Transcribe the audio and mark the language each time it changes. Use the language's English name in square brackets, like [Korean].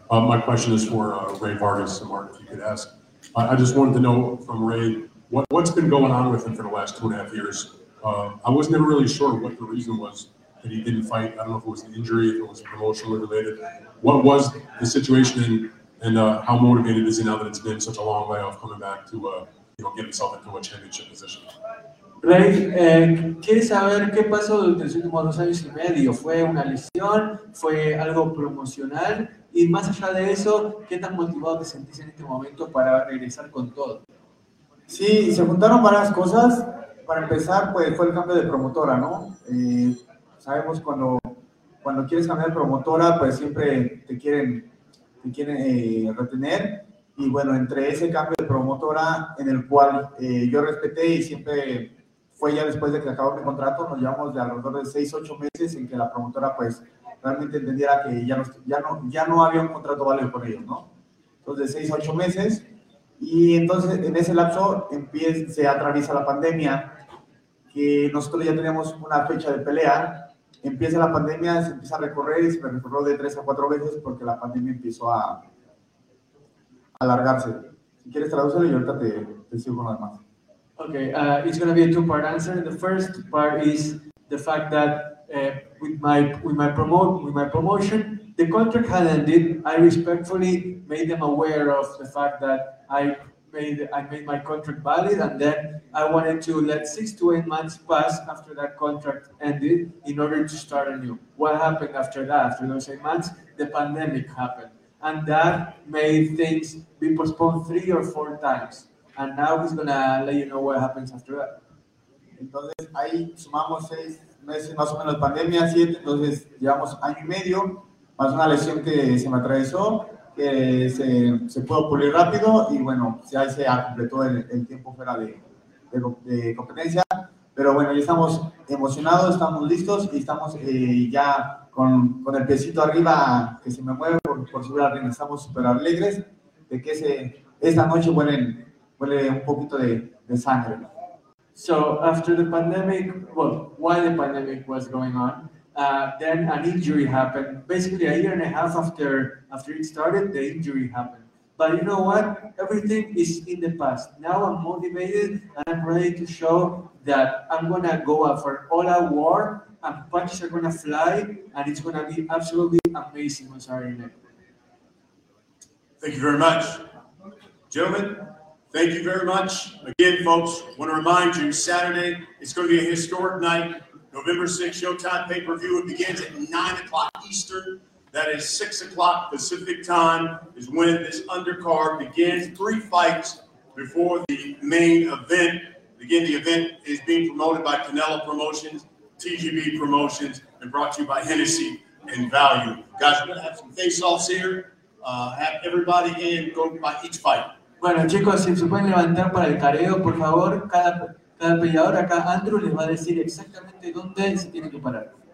[English] My question is for Ray Vargas, so Mark, if you could ask. I just wanted to know from Ray, what's been going on with him for the last 2.5 years? I was never really sure what the reason was that he didn't fight. I don't know if it was an injury, if it was promotionally related. What was the situation and how motivated is he now that it's been such a long way off coming back to get himself into a championship position? [Spanish] Ray, ¿quiere saber qué pasó durante los últimos 2 años y medio? ¿Fue una lesión? ¿Fue algo promocional? Y más allá de eso, ¿qué tan motivado te sentís en este momento para regresar con todo? Sí, se juntaron varias cosas. Para empezar, pues fue el cambio de promotora, ¿no? Sabemos cuando cuando quieres cambiar promotora, pues siempre te quieren retener. Y bueno, entre ese cambio de promotora, en el cual yo respeté y siempre fue ya después de que acabó mi contrato, nos llevamos de alrededor de 6-8 meses en que la promotora pues realmente entendiera que ya no había un contrato válido con ellos, ¿no? Entonces, 6-8 meses. Y entonces, en ese lapso, se atraviesa la pandemia, que nosotros ya teníamos una fecha de pelea. Empieza la pandemia, se empieza a recorrer y se recorrió de 3-4 veces porque la pandemia empezó a alargarse. Si quieres traducirlo, y ahorita te sigo con lo demás. [English] Okay, it's going to be a two-part answer. The first part is the fact that with my promotion, the contract had ended. I respectfully made them aware of the fact that I made my contract valid, and then I wanted to let 6 to 8 months pass after that contract ended in order to start anew. What happened after that? After those 8 months, the pandemic happened. And that made things be postponed 3 or 4 times. And now he's gonna let you know what happens after that. [Spanish] Entonces, ahí sumamos 6 meses más o menos, pandemia, 7, entonces llevamos año y medio, más una lesión que se me atravesó, que se pudo pulir rápido, y bueno, ya se completó el tiempo fuera de competencia. Pero bueno, ya estamos emocionados, estamos listos y estamos ya con el piecito arriba que se me mueve por subir al ring. Estamos súper alegres de que esta noche huele un poquito de sangre. [English] So after the pandemic, well, while the pandemic was going on, then an injury happened. Basically, a year and a half after it started, the injury happened. But you know what? Everything is in the past. Now I'm motivated and I'm ready to show that I'm gonna go out for all our war, and punches are gonna fly, and it's gonna be absolutely amazing on Saturday night. Thank you very much, gentlemen. Thank you very much. Again, folks, I want to remind you, Saturday, it's going to be a historic night. November 6th, Showtime pay-per-view. It begins at 9 o'clock Eastern. That is 6 o'clock Pacific time is when this undercard begins. 3 fights before the main event. Again, the event is being promoted by Canelo Promotions, TGB Promotions, and brought to you by Hennessy and Value. Guys, we're going to have some face-offs here. Have everybody in. Go by each fight. [Spanish] Bueno, chicos, si se pueden levantar para el careo, por favor, cada peleador acá, Andrew, les va a decir exactamente dónde se tiene que parar.